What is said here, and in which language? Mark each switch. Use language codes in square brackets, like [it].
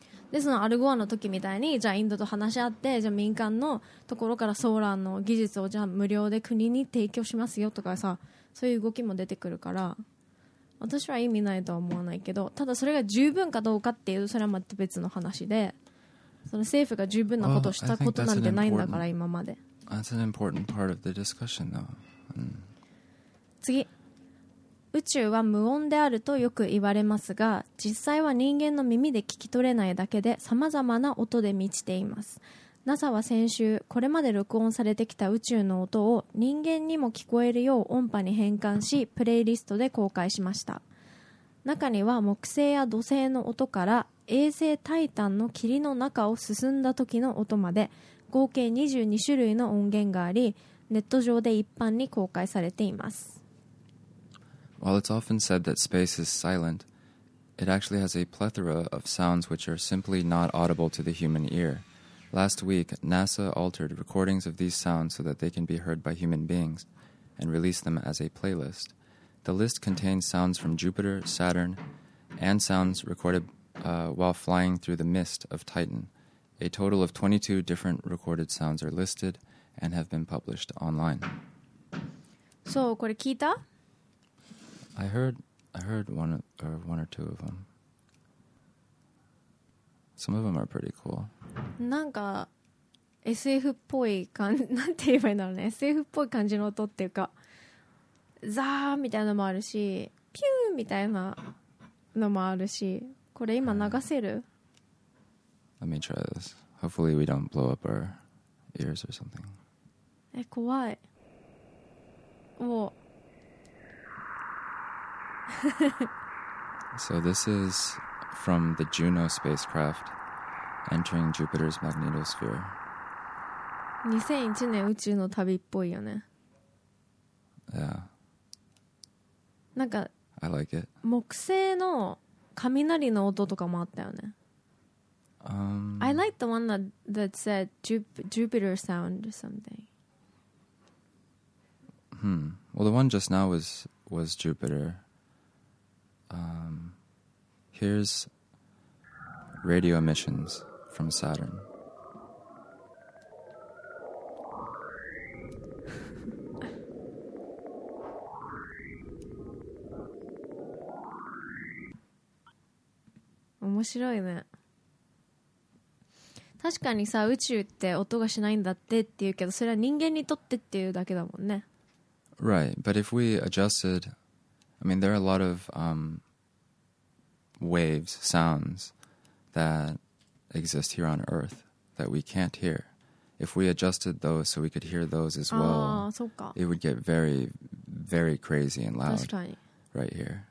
[ja] で、そのアルゴアの時みたいに、じゃあインドと話し合って、じゃあ民間のところからソーラーの技術をじゃあ無料で国に提供しますよとかさ、そういう動きも出てくるから、私は意味ないとは思わないけど、ただそれが十分かどうかっていうと、それはまた別の話で、その政府が十分なことをしたことなんてないんだから今まで。 [en] That's an important part of the discussion, though. [ja] 次。宇宙は無音であるとよく言われますが、実際は人間の耳で聞き取れないだけで、さまざまな音で満ちています。 NASA は先週、これまで録音されてきた宇宙の音を人間にも聞こえるよう音波に変換し、プレイリストで公開しました。中には木星や土星の音から、衛星タイタンの霧の中を進んだ時の音まで、合計22種類の音源があり、ネット上で一般に公開されています。 [en] While it's often said that space is silent, it actually has a plethora of sounds which are simply not audible to the human ear. Last week, NASA altered recordings of these sounds so that they can be heard by human beings and released them as a playlist. The list contains sounds from Jupiter, Saturn, and sounds recorded while flying through the mist of Titan. A total of 22 different recorded sounds are listed and have been published online. [ja] So, これ聞いた? [en] I heard one or two of them. Some of them are pretty cool. [ja] なんか SF っぽい感じ、なんて言えばいいんだろうね。 SF っぽい感じの音っていうか、ザーみたいなのもあるし、ピューみたいなのもあるし、これ今流せる? [en] Let me try this. Hopefully we don't blow up our ears or something. [ja] え、怖い。お。 [en] So this is from the Juno spacecraft entering Jupiter's magnetosphere. [ja] 2001年宇宙の旅っぽいよね。 [en] Yeah. [ja] なんか [en] I like it. [ja] 木星の雷の音とかもあったよね。 [en] I like the one that said Jupiter sound or something. Well, the one just now was Jupiter. Here's radio emissions from Saturn. That's funny. [ja] 確かにさ、宇宙って音がしないんだってって言うけど、それは人間にとってっていうだけだもんね。 [en] Right, but if we adjusted, I mean, there are a lot of waves, sounds that exist here on Earth that we can't hear. If we adjusted those so we could hear those as well, it would get very, very crazy and loud right here.